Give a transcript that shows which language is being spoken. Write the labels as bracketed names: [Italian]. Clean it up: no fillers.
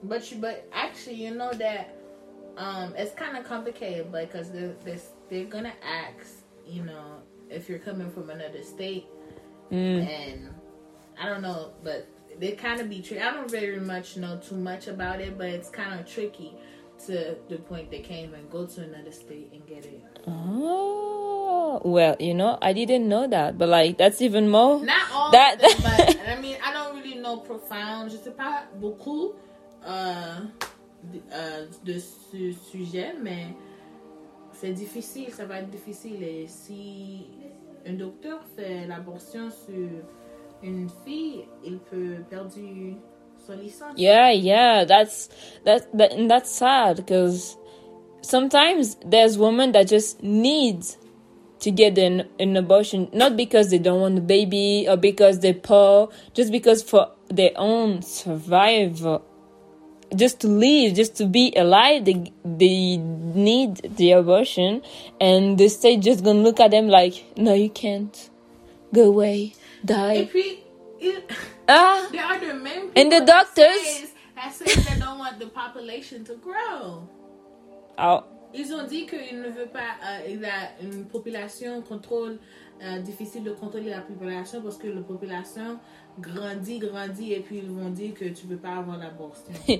[English] But actually, you know that it's kind of complicated, because they're gonna ask, you know, if you're coming from another state, and I don't know, but they kind of be tricky. I don't very much know too much about it, but it's kind of tricky to the point they can't even go to another state and get it. Well, you know, I didn't know that, but like, that's even more. Not all that, them, but I mean, I don't really know profound. [French] Je sais pas beaucoup de ce sujet, mais c'est difficile. Ça va être difficile. Et si un docteur fait l'abortion sur une fille, il peut perdre son licence. [English] Yeah, yeah, that's sad, because sometimes there's women that just need to get an abortion, not because they don't want the baby or because they're poor, just because for their own survival, just to live, just to be alive, they need the abortion, and the state just gonna look at them like, no, you can't, go away, die. There are the main people and the doctors that say they don't want the population to grow. Oh. [French] Ils ont dit qu'ils ne veulent pas une population contrôle difficile de contrôler la population, parce que la population grandit et puis ils vont dire que tu peux pas avoir l'abortion.